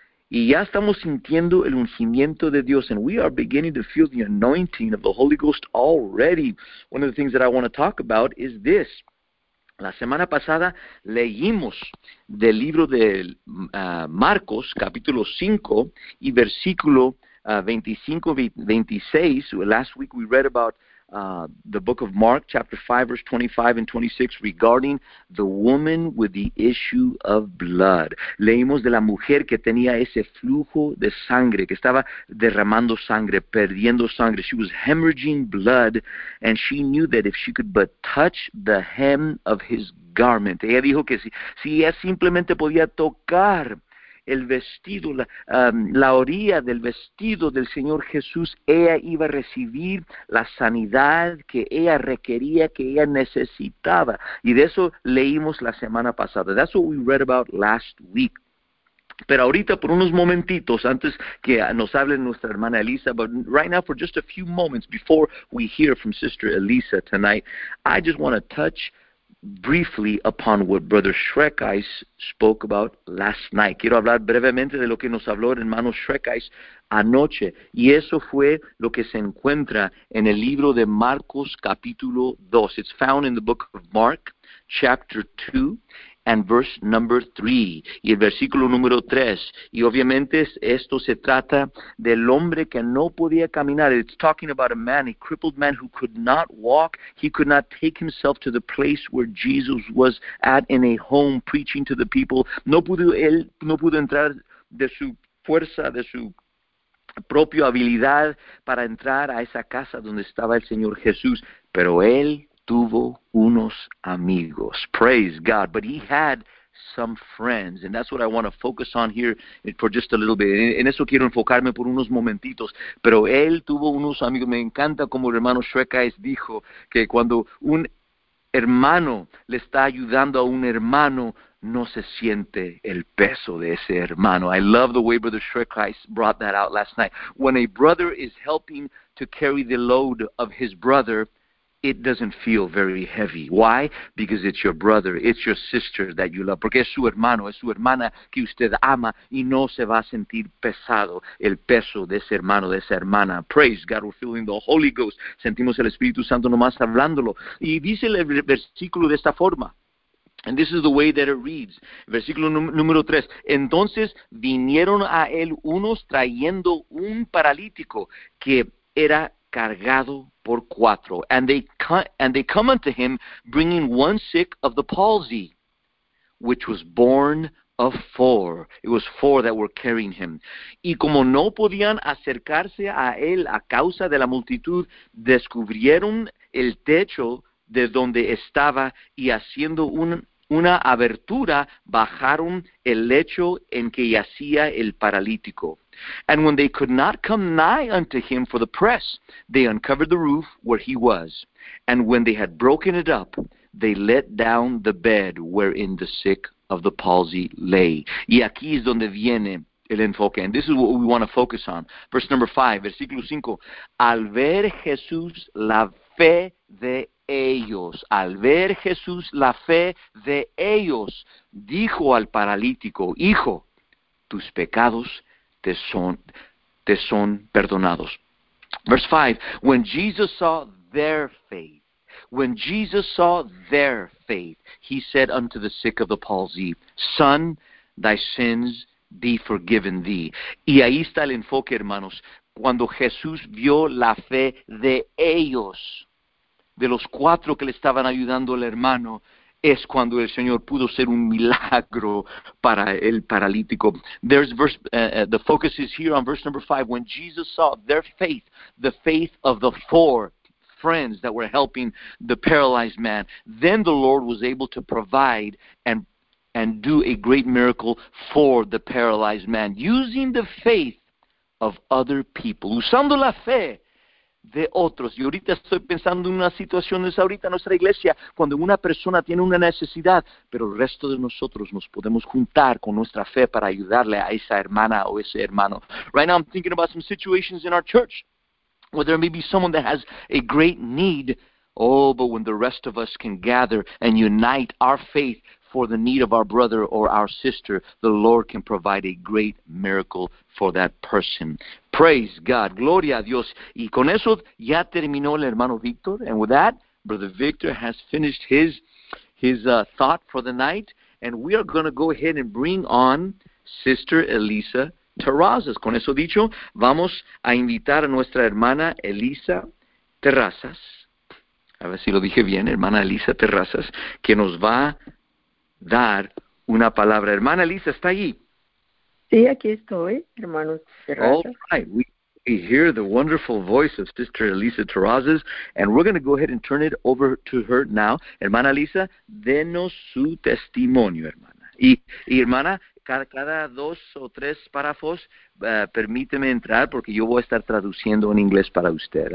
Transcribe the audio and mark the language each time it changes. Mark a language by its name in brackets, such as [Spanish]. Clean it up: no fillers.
[Spanish] Y ya estamos sintiendo el ungimiento de Dios. [English] And we are beginning to feel the anointing of the Holy Ghost already. One of the things that I want to talk about is this. [Spanish] La semana pasada leímos del libro de Marcos, capítulo 5 y versículo 25-26. [English] Last week we read about the book of Mark, chapter 5, verse 25 and 26, regarding the woman with the issue of blood. [Spanish] Leímos de la mujer que tenía ese flujo de sangre, que estaba derramando sangre, perdiendo sangre. [English] She was hemorrhaging blood, and she knew that if she could but touch the hem of his garment. [Spanish] Ella dijo que si ella simplemente podía tocar el vestido, la orilla del vestido del Señor Jesús, ella iba a recibir la sanidad que ella requería, que ella necesitaba. Y de eso leímos la semana pasada. [English] That's what we read about last week. [Spanish] Pero ahorita, por unos momentitos, antes que nos hable nuestra hermana Elisa, [English] but right now, for just a few moments, before we hear from Sister Elisa tonight, I just want to touch briefly upon what Brother Schreckeis spoke about last night. [Spanish] Quiero hablar brevemente de lo que nos habló el hermano Schreckeis anoche. Y eso fue lo que se encuentra en el libro de Marcos, capítulo 2. [English] It's found in the book of Mark, chapter 2, and verse number 3. [Spanish] Y el versículo número 3. Y obviamente esto se trata del hombre que no podía caminar. [English] It's talking about a man, a crippled man who could not walk. He could not take himself to the place where Jesus was at in a home preaching to the people. [Spanish] No pudo entrar de su fuerza, de su propia habilidad para entrar a esa casa donde estaba el Señor Jesús. Pero él tuvo unos amigos. [English] Praise God. But he had some friends. And that's what I want to focus on here for just a little bit. [Spanish] En eso quiero enfocarme por unos momentitos. Pero él tuvo unos amigos. Me encanta como el hermano Schreckeis dijo que cuando un hermano le está ayudando a un hermano, no se siente el peso de ese hermano. [English] I love the way Brother Schreckeis brought that out last night. When a brother is helping to carry the load of his brother, it doesn't feel very heavy. Why? Because it's your brother, it's your sister that you love. [Spanish] Porque es su hermana que usted ama, y no se va a sentir pesado el peso de ese hermano, de esa hermana. [English] Praise God, we're feeling the Holy Ghost. [Spanish] Sentimos el Espíritu Santo nomás hablándolo. Y dice el versículo de esta forma. [English] And this is the way that it reads. [Spanish] Versículo número 3. Entonces vinieron a él unos trayendo un paralítico que era cargado por cuatro, [English] and they come unto him, bringing one sick of the palsy, which was born of four. It was four that were carrying him. [Spanish] Y como no podían acercarse a él a causa de la multitud, descubrieron el techo de donde estaba, y haciendo una abertura, bajaron el lecho en que yacía el paralítico. [English] And when they could not come nigh unto him for the press, they uncovered the roof where he was. And when they had broken it up, they let down the bed wherein the sick of the palsy lay. [Spanish] Y aquí es donde viene el enfoque. [English] And this is what we want to focus on. Verse number 5, [Spanish] versículo 5. Al ver Jesús la fe de ellos, al ver Jesús la fe de ellos, dijo al paralítico, Hijo, tus pecados te son perdonados. [English] Verse 5, when Jesus saw their faith, he said unto the sick of the palsy, Son, thy sins be forgiven thee. [Spanish] Y ahí está el enfoque, hermanos. Cuando Jesús vio la fe de ellos, de los cuatro que le estaban ayudando al hermano, es cuando el Señor pudo ser un milagro para el paralítico. [English] There's verse, the focus is here on verse number 5. When Jesus saw their faith, the faith of the four friends that were helping the paralyzed man, then the Lord was able to provide and do a great miracle for the paralyzed man, using the faith of other people. [Spanish] Usando la fe de otros. Y ahorita estoy pensando en una situación de esa ahorita en nuestra iglesia, cuando una persona tiene una necesidad, pero el resto de nosotros nos podemos juntar con nuestra fe para ayudarle a esa hermana o ese hermano. [English] Right now I'm thinking about some situations in our church where there may be someone that has a great need. Oh, but when the rest of us can gather and unite our faith for the need of our brother or our sister, the Lord can provide a great miracle for that person. Praise God. [Spanish] Gloria a Dios. Y con eso ya terminó el hermano Victor. [English] And with that, Brother Victor has finished his thought for the night. And we are going to go ahead and bring on Sister Elisa Terrazas. [Spanish] Con eso dicho, vamos a invitar a nuestra hermana Elisa Terrazas. A ver si lo dije bien, hermana Elisa Terrazas, que nos va a dar una palabra. Hermana Elisa, ¿está ahí? Sí, aquí estoy, hermano Terrazas. [English] All right. We hear the wonderful voice of Sister Elisa Terrazas, and we're going to go ahead and turn it over to her now. [Spanish] Hermana Elisa, denos su testimonio, hermana. Y hermana, cada dos o tres párrafos, permíteme entrar porque yo voy a estar traduciendo en inglés para usted.